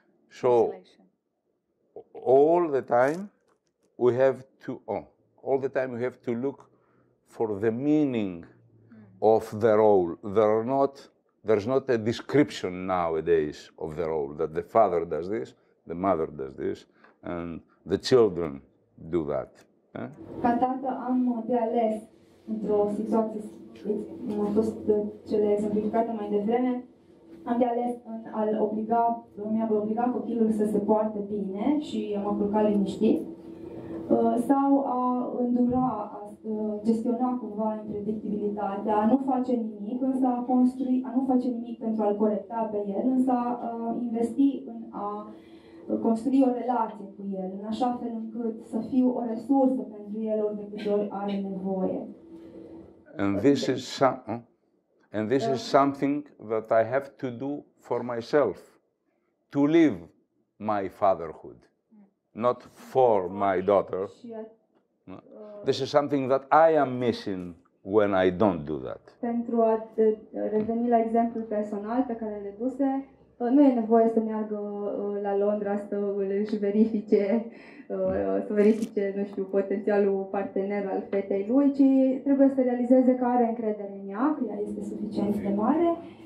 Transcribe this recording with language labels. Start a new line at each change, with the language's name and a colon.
English: So all the time, we have to, all the time we have to look for the meaning of the role. There's not a description nowadays of the role, that the father does this, the mother does this, and the children do that.
Romanian: Ca tată am de ales într-o situație, cum au fost cele exemplificate mai devreme, am de ales în a-l obliga, mi-a obligat copilul să se poarte bine și am apucat liniștit, sau a îndura, a gestiona cumva impredictibilitatea, a nu face nimic, însă a construi, a nu face nimic pentru a-l corecta pe el, însă a investi în a construi o relație cu el, în așa fel încât să fiu o resursă pentru el ori de câte ori are nevoie.
English: And this is something that I have to do for myself, to live my fatherhood. Not for my daughter. This is something that I am missing when I don't do that.
Romanian: Pentru a reveni la exemplul personal pe care le duse, nu e nevoie să meargă la Londra să își verifice, să verifice, nu știu, potențialul partener al fetei lui, ci trebuie să realizeze că are încredere în ea, că ea este suficient de mare.